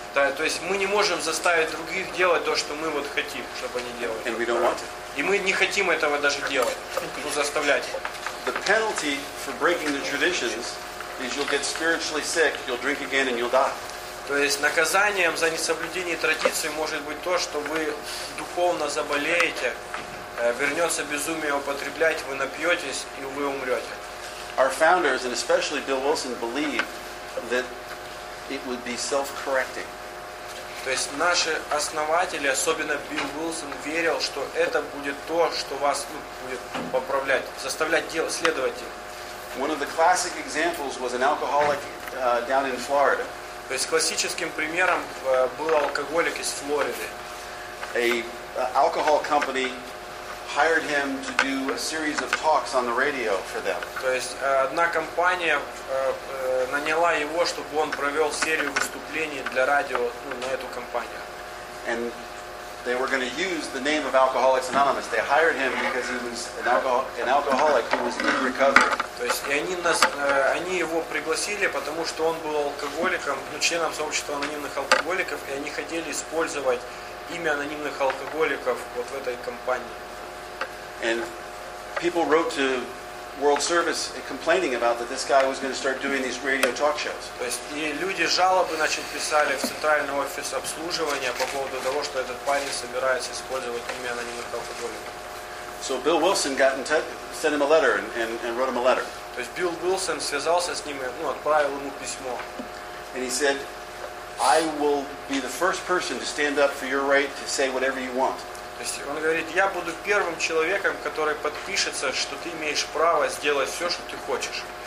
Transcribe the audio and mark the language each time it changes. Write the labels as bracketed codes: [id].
[ru] Да, то есть мы не можем заставить других делать то, что мы вот хотим, чтобы они делали. [en] And we don't want it. [ru] И мы не хотим этого даже делать, заставлять. [en] The penalty for breaking the traditions is you'll get spiritually sick, you'll drink again and you'll die. [ru] То есть наказанием за несоблюдение традиции может быть то, что вы духовно заболеете, вернется безумие употреблять, вы напьетесь и вы умрете. [en] Our founders, and especially Bill Wilson, believed that it would be self-correcting. [ru] То есть наши основатели, особенно Билл Уилсон, верил, что это будет то, что вас будет поправлять, заставлять делать, следовать им. [en] One of the classic examples was an alcoholic down in Florida. [ru] То есть классическим примером был алкоголик из Флориды. [en] A alcohol company hired him to do a series of talks on the radio for them. [ru] То есть одна компания наняла его, чтобы он провел серию выступлений для радио на эту компанию. [en] And they were going to use the name of Alcoholics Anonymous. They hired him because he was an alcoholic who was in recovery. [ru] То есть и они его пригласили, потому что он был алкоголиком, членом сообщества анонимных алкоголиков, и они хотели использовать имя анонимных алкоголиков вот в этой компании. [en] And people wrote to World Service complaining about that this guy was going to start doing these radio talk shows. [ru] То есть и люди жалобы начали писали в центральный офис обслуживания по поводу того, что этот парень собирается использовать имя анонимных алкоголиков. [en] So Bill Wilson got in touch, sent him a letter and wrote him a letter. [ru] То есть Билл Уилсон связался с ним и отправил ему письмо. [en] And he said, "I will be the first person to stand up for your right to say whatever you want." [ru] То есть он говорит, я буду первым человеком, который подпишется, что ты имеешь право сделать все, что ты хочешь.